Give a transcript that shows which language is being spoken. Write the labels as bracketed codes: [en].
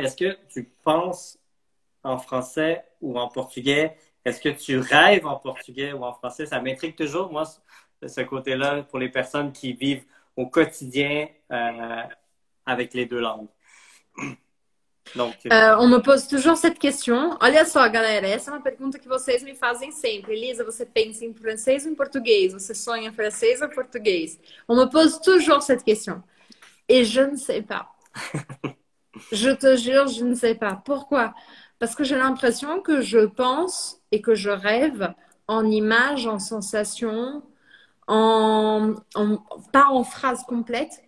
[fr] Est-ce que tu penses en français ou en portugais? Est-ce que tu rêves en portugais ou en français? Ça m'intrigue toujours, moi, ce côté-là, pour les personnes qui vivent au quotidien avec les deux langues. On me pose toujours cette question. [pt] Olha só, galera, essa é uma pergunta que vocês me fazem sempre. Elisa, você pensa em francês ou em português? Você sonha em francês ou português? [fr] On me pose toujours cette question. Et je ne sais pas. Je te jure, je ne sais pas. Pourquoi? Parce que j'ai l'impression que je pense et que je rêve en images, en sensations, pas en phrases complètes.